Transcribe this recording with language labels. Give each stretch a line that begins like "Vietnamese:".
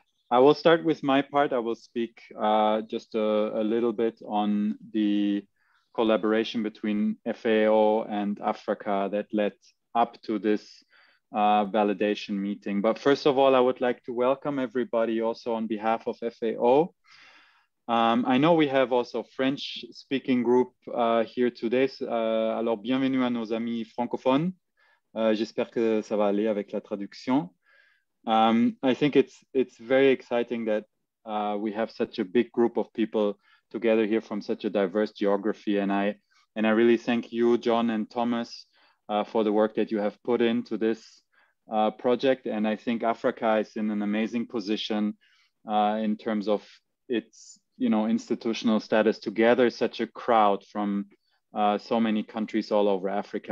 English: I will start with my part. I will speak just a little bit on the collaboration between FAO and Afraca that led up to this validation meeting. But first of all, I would like to welcome everybody also on behalf of FAO. I know we have also French speaking group here today.
French: Alors bienvenue à nos amis francophones. J'espère que ça va aller avec la traduction.
English: I think it's very exciting that we have such a big group of people together here from such a diverse geography. And I really thank you, John and Thomas, for the work that you have put into this project. And I think Afraca is in an amazing position in terms of its, you know, institutional status to gather such a crowd from so many countries all over Africa.